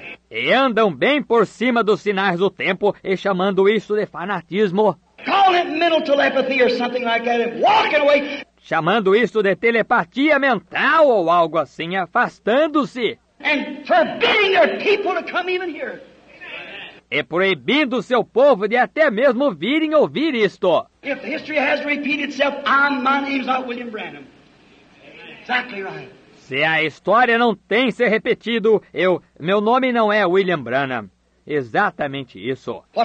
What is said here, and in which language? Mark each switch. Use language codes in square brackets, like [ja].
[pt] E andam bem por cima dos sinais do tempo e chamando isso de fanatismo. [en] Call it mental telepathy or something like that, walking away. [pt] Chamando isso de telepatia mental ou algo assim, afastando-se. [en] And forbidding their people to come even here. [pt] E proibindo seu povo de até mesmo virem ouvir isto. [en] If history has repeated itself, my name's not William Branham. Exactly right. [pt] Se a história não tem se repetido, meu nome não é William Branham. Exatamente isso.